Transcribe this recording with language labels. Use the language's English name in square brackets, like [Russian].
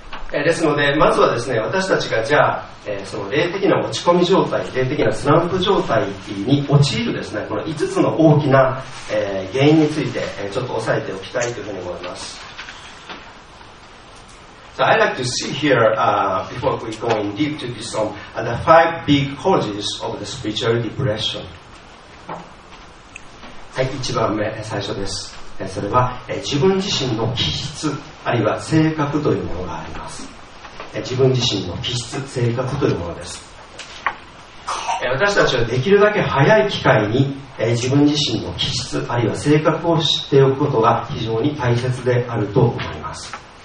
[Japanese] ですので、まずはですね、私たちがじゃあ、その霊的な落ち込み状態、霊的なスランプ状態に陥るですね、この5つの大きな、原因について、ちょっと押さえておきたいというふうに思います。 [English] So I'd like to see here, before we go in deep to this one, the five big causes of the spiritual depression. [Japanese] はい、1番目最初です。それは自分自身の気質あるいは性格というものがあります。自分自身の気質性格というものです。私たちはできるだけ早い機会に自分自身の気質あるいは性格を知っておくことが非常に大切であると思います。